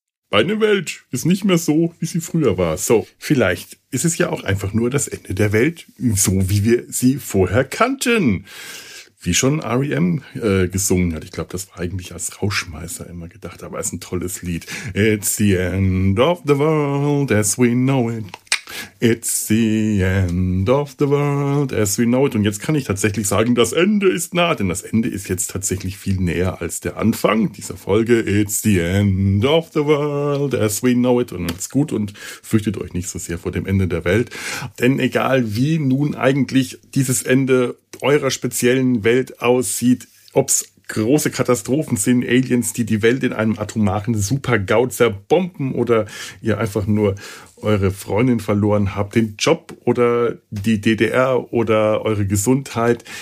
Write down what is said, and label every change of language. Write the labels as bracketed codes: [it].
[de] Meine Welt ist nicht mehr so, wie sie früher war. So, vielleicht ist es ja auch einfach nur das Ende der Welt, so wie wir sie vorher kannten. Wie schon R.E.M. Gesungen hat. Ich glaube, das war eigentlich als Rauschmeißer immer gedacht, aber es ist ein tolles Lied. [en] It's the end of the world as we know it. It's the end of the world as we know it. [de] Und jetzt kann ich tatsächlich sagen, das Ende ist nah, denn das Ende ist jetzt tatsächlich viel näher als der Anfang dieser Folge. [en] It's the end of the world as we know it. [de] Und macht's gut und fürchtet euch nicht so sehr vor dem Ende der Welt. Denn egal wie nun eigentlich dieses Ende eurer speziellen Welt aussieht, ob's große Katastrophen sind, Aliens, die die Welt in einem atomaren Super-GAU zerbomben, oder ihr einfach nur eure Freundin verloren habt, den Job oder die DDR oder eure Gesundheit.